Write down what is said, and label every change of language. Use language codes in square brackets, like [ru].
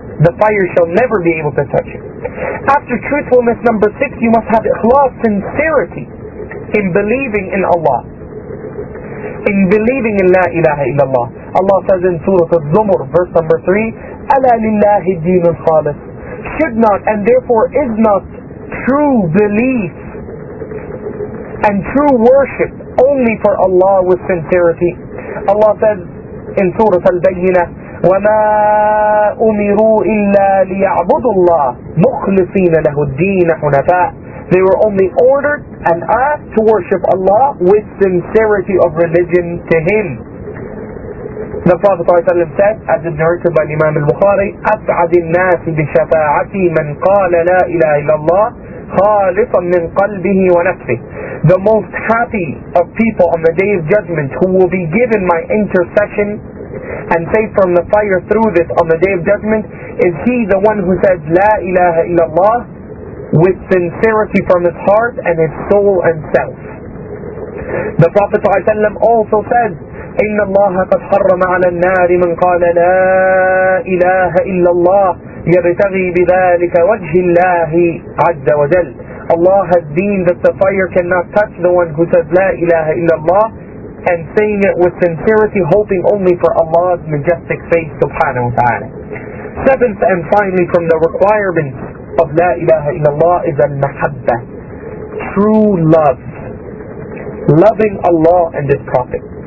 [en] The fire shall never be able to touch him. After truthfulness, number six, you must have ikhlas, sincerity in believing in Allah, in believing in La ilaha illallah. Allah says in Surah Az-Zumur, verse number 3, [ar] أَلَا لِلَّهِ الدِّينُ الْخَالِصُ. [en] Should not, and therefore is not, true belief and true worship only for Allah with sincerity. Allah says in Surah Al-Bayyinah, [ar] وَمَا أُمِرُوا إِلَّا لِيَعْبُدُوا اللَّهِ مُخْلِصِينَ لَهُ الدِّينَ حُنَفَاءَ. [en] They were only ordered and asked to worship Allah with sincerity of religion to Him. The Prophet ﷺ said, as is narrated by Imam al-Bukhari, [ar] أَسْعَدِ النَّاسِ بِشَفَاعَتِي مَنْ قَالَ لَا إِلَهَ إِلَّا اللَّهِ خَالِصًا مِنْ قَلْبِهِ وَنَفْسِهِ. [en] The most happy of people on the Day of Judgment who will be given my intercession and saved from the fire through this on the Day of Judgment is he, the one who says La ilaha illallah with sincerity from his heart and his soul and self. The Prophet ﷺ also said, [ar] إن الله قد حرم على النار من قال لا إله إلا الله يبتغي بذلك وجه الله عز وجل. [en] Allah has deemed that the fire cannot touch the one who says La ilaha illallah and saying it with sincerity, hoping only for Allah's majestic face subhanahu wa ta'ala. Seventh and finally from the requirements of La ilaha illallah is al-mahabba, true love, loving Allah and His Prophet.